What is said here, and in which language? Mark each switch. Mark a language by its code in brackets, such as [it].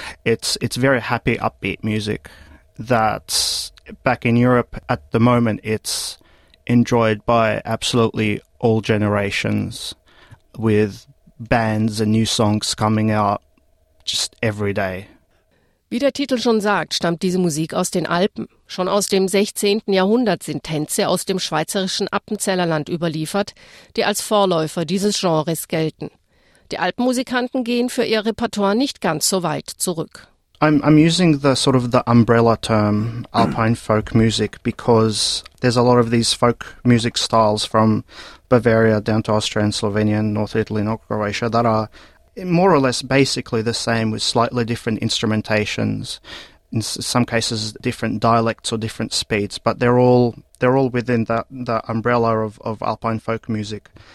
[en] It's very happy, upbeat music that back in Europe at the moment it's enjoyed by absolutely all generations, with bands and new songs coming out just every day. [de] Wie der Titel schon sagt, stammt diese Musik aus den Alpen. Schon aus dem 16. Jahrhundert sind Tänze aus dem schweizerischen Appenzellerland überliefert, die als Vorläufer dieses Genres gelten. Die Alpenmusikanten gehen für ihr Repertoire nicht ganz so weit zurück. [en] I'm using the sort of the umbrella term Alpine folk music because there's a lot of these folk music styles from Bavaria down to Austria and Slovenia and North Italy and Croatia that are more or less basically the same with slightly different instrumentations, in some cases different dialects or different speeds, but they're all within the umbrella of Alpine folk music.